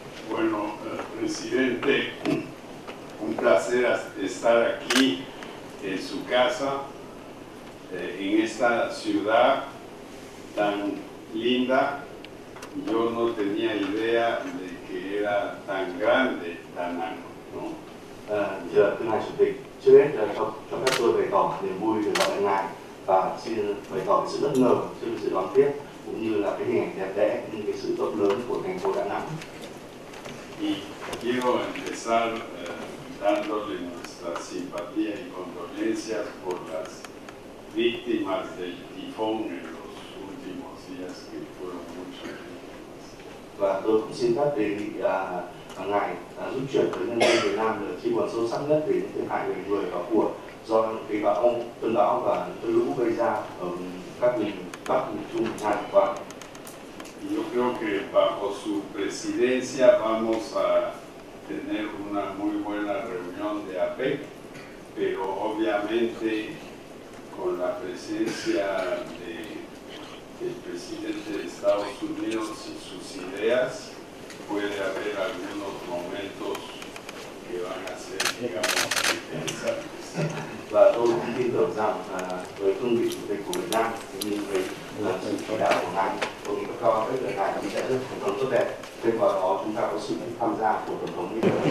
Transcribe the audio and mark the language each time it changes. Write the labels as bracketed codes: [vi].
[es] Bueno, presidente, un placer estar aquí en su casa, en esta ciudad tan linda. Yo no tenía idea de que era tan grande Danang, ¿no? [vi] Dạ, thưa ngài chủ tịch, trước hết là cho phép tôi bày tỏ niềm vui được gặp lại ngài và xin bày tỏ sự bất ngờ trước sự đón tiếp cũng như là cái hình ảnh đẹp đẽ những cái sự rộng lớn của thành phố Đà Nẵng. [es] Y quiero empezar dándole nuestra simpatía y condolencias por las víctimas del tifón en los últimos días que fueron muchas. [vi] Và tôi cũng xin phép đề nghị ngài giúp chuyển tới nhân dân Việt Nam lời chia buồn sâu sắc nhất về những thiệt hại về người và của do cái bão ông cơn bão và cơn lũ gây ra ở các miền Bắc miền Trung miền Nam vừa qua. [es] Yo creo que bajo su presidencia vamos a tener una muy buena reunión de APEC, pero obviamente con la presencia del presidente de Estados Unidos y sus ideas, puede haber algunos momentos que van a ser, digamos, interesantes. [vi] Và tôi cũng tin tưởng rằng với cương vị chủ tịch của Việt Nam cũng như với sự chỉ đạo của ngài, hội nghị cấp cao APEC lần này cũng sẽ rất thành công tốt đẹp. Thêm vào đó, chúng ta có sự tham gia của tổng thống Mỹ.